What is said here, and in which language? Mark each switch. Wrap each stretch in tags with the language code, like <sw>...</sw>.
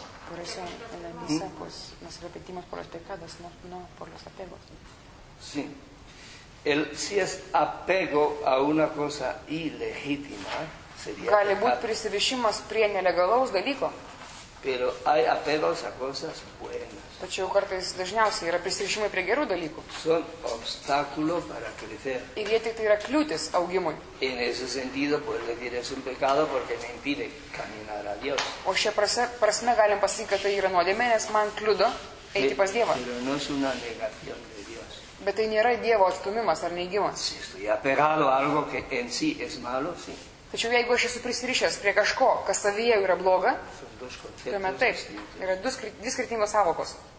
<es>Por eso en la misa pues nos repetimos por los pecados, no por los apegos. Sí. Si es apego a una cosa ilegítima, sería.</es> <lt>Gali būti prisirišimas prie nelegalaus dalyko.</lt> <es>Pero hay apegos a cosas buenas.</es> <lt>Tačiau kartais dažniausiai yra prisirišimai prie gerų dalykų.</lt> <es>Son obstáculo para crecer.</es> <lt>Ir jie tik tai yra kliūtis augimui.</lt> <es>En ese sentido, puedes decir, es un pecado porque me impide caminar a Dios.</es> <lt>O šia prasme galim pasakyti, kad tai yra nuodėmė, nes man kliudo eiti pas Dievą.</lt> <es>Pero no es una negación de Dios.</es> <lt>Bet tai nėra Dievo atstumimas ar neigimas.</lt> <es>Si estoy apegado a algo que en sí es malo, sí.</es> <lt>Tačiau jeigu aš esu prisirišęs prie kažko, kas savyje yra bloga, tuomet taip, yra dvi skirtingos sąvokos.</lt>